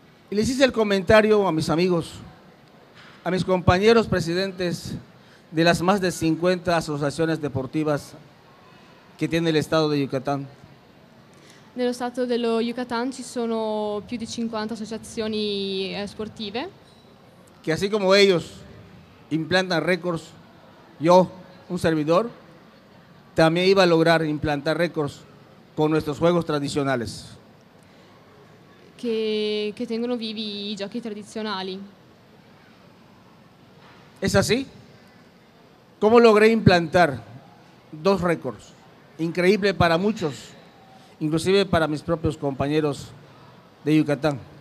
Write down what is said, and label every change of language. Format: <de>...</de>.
<es>Y les hice el comentario a mis amigos, a mis compañeros presidentes de las más de 50 asociaciones deportivas que tiene el estado de Yucatán.</es> <it>Nello stato dello Yucatán ci sono più di 50 associazioni sportive.</it> <es>Que así como ellos implantan récords, yo, un servidor, también iba a lograr implantar récords con nuestros juegos tradicionales.</es> <it>Que tengono vivi i giochi tradizionali.</it> <es>¿Es así? ¿Cómo logré implantar dos récords? Increíble para muchos, inclusive para mis propios compañeros de Yucatán.</es>